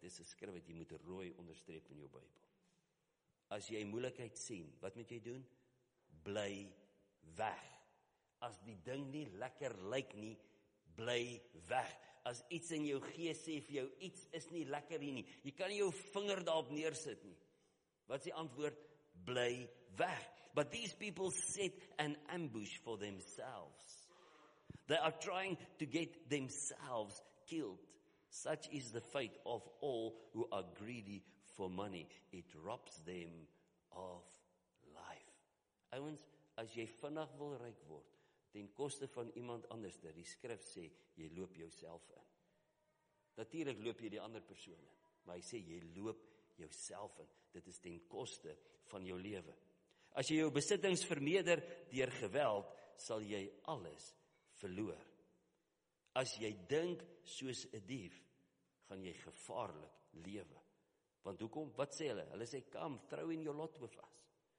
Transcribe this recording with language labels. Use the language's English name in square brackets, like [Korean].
[Afrikaans] Dis is skryf wat jy moet rooi onderstreep in jou Bybel. As jy moeilikheid sien, wat moet jy doen? Bly weg. As die ding nie lekker lyk nie, bly weg. As iets in jou gees sê vir jou, iets is nie lekker hier nie, jy kan nie jou vinger daarop neersit nie. Wat is die antwoord? Bly weg. [English] But these people set an ambush for themselves. They are trying to get themselves killed. Such is the fate of all who are greedy for money. It robs them of life. [Afrikaans] Ouens, as jy vinnig wil ryk word, ten koste van iemand anders, dat die skrif sê, jy loop jouself in. Natuurlik loop jy die ander persoon in, maar hy sê, jy loop jouself in. Dit is ten koste van jou lewe. As jy jou besittings vermeerder deur geweld, sal jy alles verloor. As jy dink soos 'n dief, gaan jy gevaarlik lewe. Want hoekom? Wat sê hulle? Hulle sê, [English] come, throw in your lot with us.